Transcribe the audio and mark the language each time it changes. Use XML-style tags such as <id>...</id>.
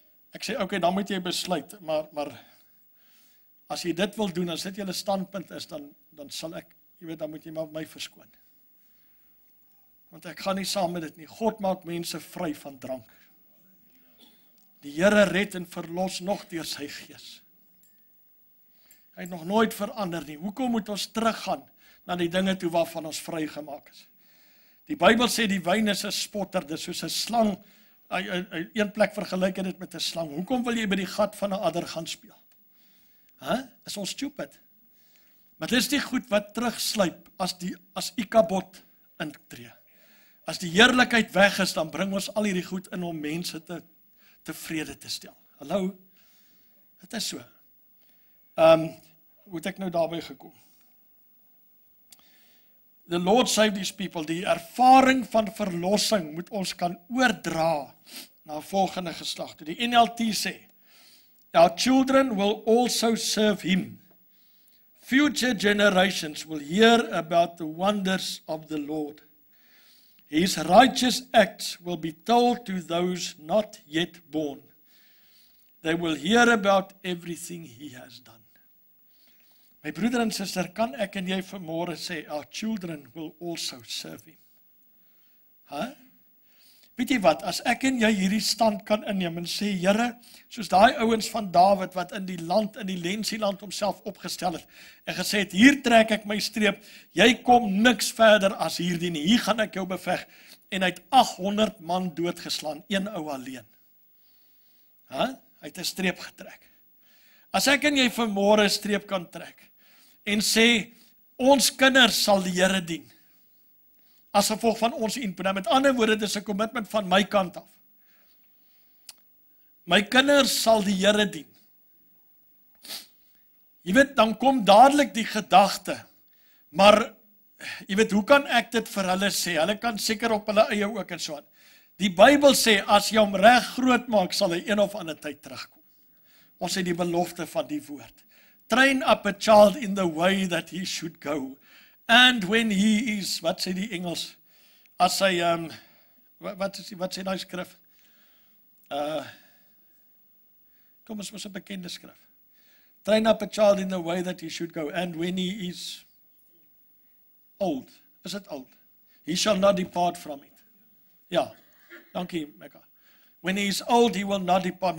<af>Ek sê, okay, dan moet jy besluit, maar as jy dit wil doen, as dit julle standpunt is, dan sal ek, jy weet, dan moet jy maar my verskoon. Want ek gaan nie saam met dit nie. God maak mense vry van drank. Die Heere red en verlos nog deur sy gees. Hy het nog nooit verander nie. Hoekom moet ons teruggaan na die dinge toe waarvan ons vrygemaak is? Die Bybel sê die wyn is een spotter, dis soos een slang, een plek vergelyk het met een slang. Hoekom wil jy by die gat van een adder gaan speel? Is ons stupid? Maar dis die goed wat terugsluip as die as Ikabod intree. As die heerlikheid weg is, dan bring ons al hierdie goed in om mense tevrede te stel. Hallo, het is so. Hoe het ek nou daarby gekom?</af> <en>The Lord save these people.</en> <af>Die ervaring van verlossing moet ons kan oordra na volgende geslag. Die NLT sê,</af> <en>our children will also serve him. Future generations will hear about the wonders of the Lord. His righteous acts will be told to those not yet born. They will hear about everything he has done.</en> <af>My broeder en sister, kan ek en jy vanmorgen sê,</af> <en>our children will also serve him.</en> <af>Weet jy wat, as ek en jy hierdie stand kan inneem en sê, Here, soos die ouwens van David, wat in die land, in die Lensieland homself opgestel het, en gesê het, hier trek ek my streep, jy kom niks verder as hierdie nie, hier gaan ek jou beveg, en hy het 800 man doodgeslaan, een ou alleen. Hy het een streep getrek. As ek en jy vanmorgen een streep kan trek, en sê, ons kinders sal die Here dien, as gevolg van ons input. En met ander woorde, dit is een commitment van my kant af. My kinders sal die Here dien. Jy weet, dan kom dadelijk die gedachte, maar, jy weet, hoe kan ek dit vir hulle sê? Hulle kan seker op hulle eie ook en so aan. Die Bybel sê, as jy hom reg groot maak, sal hy een of ander tyd terugkom. Ons sê die belofte van die woord.</af> <en>Train up a child in the way that he should go. And when he is,</en> <af>wat sê die Engels, as hy, wat sê die skrif? Kom, ons was een bekende skrif.</af> <en>Train up a child in the way that he should go, and when he is old, is it old? He shall not depart from it.</en> <af>Ja, dankie, Mekka.</af> <en>When he is old, he will not depart.</en>